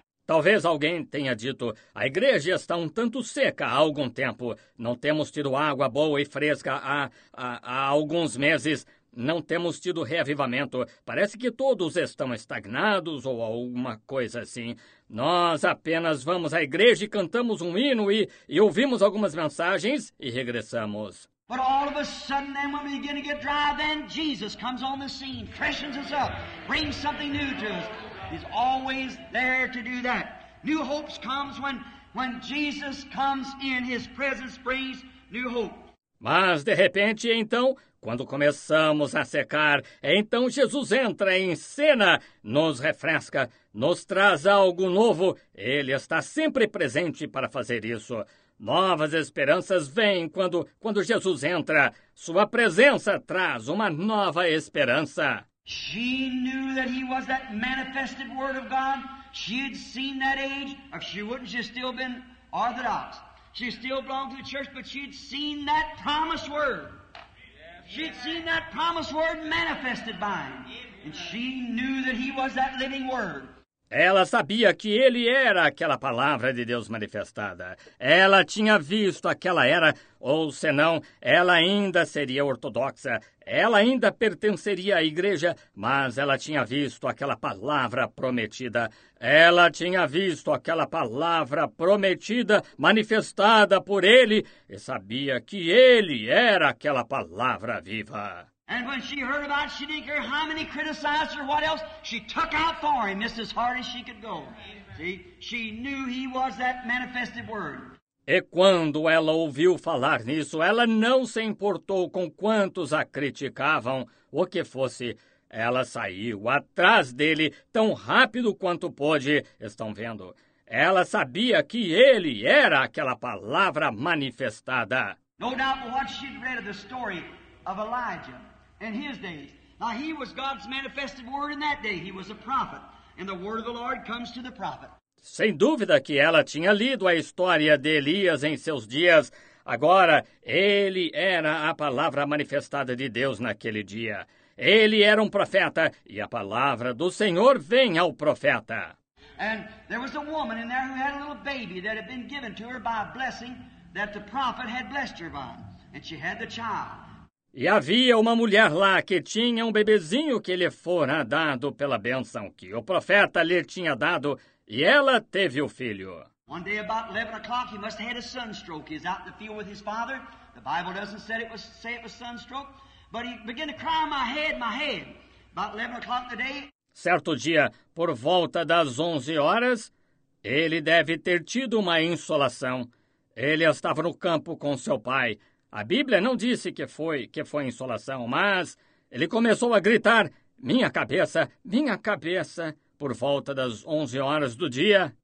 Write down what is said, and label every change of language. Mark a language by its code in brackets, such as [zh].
[pt] Talvez alguém tenha dito, a igreja está um tanto seca há algum tempo. Não temos tido água boa e fresca há alguns meses. Não temos tido reavivamento. Parece que todos estão estagnados ou alguma coisa assim. Nós apenas vamos à igreja e cantamos um hino e ouvimos algumas mensagens e regressamos. [en] But all of a sudden, then when we begin to get dry, then Jesus comes on the scene, freshens us up, brings something new to us. He's always there to do that. New hopes comes when Jesus comes in, his presence brings new hope. [pt] Mas de repente, então, quando começamos a secar, então Jesus entra em cena, nos refresca, nos traz algo novo. Ele está sempre presente para fazer isso. Novas esperanças vêm quando Jesus entra. Sua presença traz uma nova esperança. [en] She knew that he was that manifested word of God. She had seen that age. If she wouldn't, she'd still been Orthodox. She still belonged to the church, but she'd seen that promised word. She'd seen that promised word manifested by him. And she knew that he was that living word. [pt] Ela sabia que ele era aquela palavra de Deus manifestada. Ela tinha visto aquela era, ou senão, ela ainda seria ortodoxa. Ela ainda pertenceria à igreja, mas ela tinha visto aquela palavra prometida. Ela tinha visto aquela palavra prometida, manifestada por ele, e sabia que ele era aquela palavra viva. [en] And when she heard about it, she didn't care how many criticized her, what else, she took out for him just as hard as she could go. See, she knew he was that manifested word. [pt] E quando ela ouviu falar nisso, ela não se importou com quantos a criticavam, o que fosse. Ela saiu atrás dele tão rápido quanto pôde. Estão vendo? Ela sabia que ele era aquela palavra manifestada. [en] No doubt what she read of the story of Elijah and his days. Now he was God's manifested word in that day. He was a prophet. And the word of the Lord comes to the prophet. [pt] Sem dúvida que ela tinha lido a história de Elias em seus dias. Agora, ele era a palavra manifestada de Deus naquele dia. Ele era um profeta, e a palavra do Senhor vem ao profeta. [en] And there was a woman in there who had a little baby that had been given to her by a blessing that the prophet had blessed her by. And she had the child. [pt] E havia uma mulher lá que tinha um bebezinho que lhe fora dado pela bênção que o profeta lhe tinha dado, e ela teve o filho. [en] One day about 11 o'clock he must have had a sunstroke. He's out in the field with his father. The Bible doesn't say it was sunstroke. But he began to cry, my head, my head. About 11 o'clock today. [pt] Certo dia, por volta das 11 horas, ele deve ter tido uma insolação. Ele estava no campo com seu pai. A Bíblia não disse que foi insolação, mas ele começou a gritar, minha cabeça, por volta das 11 horas do dia.